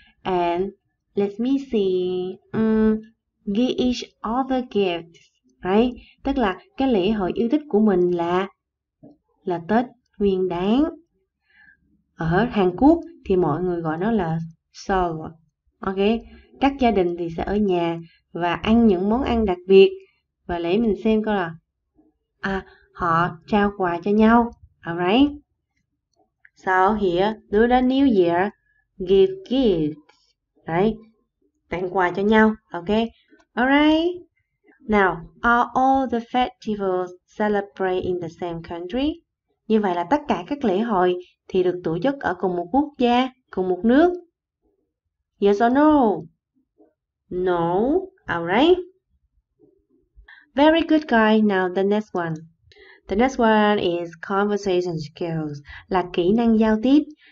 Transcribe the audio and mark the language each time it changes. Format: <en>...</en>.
<en>And let me see, give each other gifts, right?</en> <vi>Tức là cái lễ hội yêu thích của mình là Tết Nguyên Đán. Ở Hàn Quốc thì mọi người gọi nó là Seoul. Ok, các gia đình thì sẽ ở nhà và ăn những món ăn đặc biệt. Và lấy mình xem coi là họ trao quà cho nhau.</vi> <en>Alright. So here, do the New Year, give gifts. Right.</en> <vi>Tặng quà cho nhau.</vi> <en>Ok. Alright. Now, are all the festivals celebrate in the same country?</en> <vi>Như vậy là tất cả các lễ hội thì được tổ chức ở cùng một quốc gia, cùng một nước.</vi> <en>Yes or no? No. Alright. Very good guy. Now the next one. The next one is conversation skills.</en> <vi>Là kỹ năng giao tiếp.</vi>